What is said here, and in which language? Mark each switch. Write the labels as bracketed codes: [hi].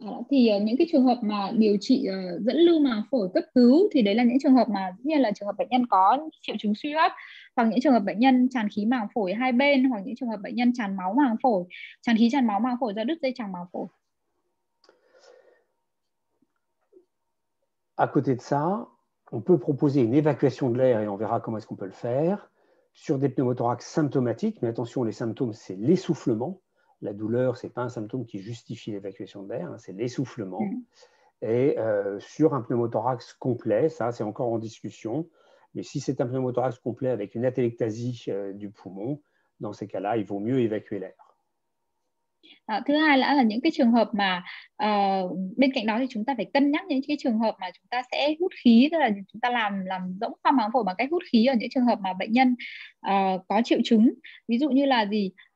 [vi] Thì những cái trường hợp mà điều trị dẫn lưu màng phổi cấp cứu thì đấy là những trường hợp mà dĩ nhiên là trường hợp bệnh nhân có triệu chứng suy hấp, hoặc những trường hợp bệnh nhân tràn khí màng phổi hai bên, hoặc những trường hợp bệnh nhân tràn máu màng phổi, tràn khí tràn máu màng phổi do đứt dây chằng màng phổi. [fr] À côté de ça, on peut proposer une évacuation de l'air et on verra comment est-ce qu'on peut le faire sur des pneumothorax symptomatiques, mais attention, les symptômes, c'est l'essoufflement. La douleur, ce n'est pas un symptôme qui justifie l'évacuation d'air, hein, c'est l'essoufflement. Et sur un pneumothorax complet, ça c'est encore en discussion, Mais si c'est un pneumothorax complet avec une atélectasie du poumon, dans ces cas-là, il vaut mieux évacuer l'air. [vi] Thứ hai là những cái trường hợp mà bên cạnh đó thì chúng ta phải cân nhắc những cái trường hợp mà chúng ta sẽ hút khí, tức là chúng ta làm rỗng khoang máng phổi bằng cách hút khí ở những trường hợp mà bệnh nhân có triệu chứng, ví dụ như là gì,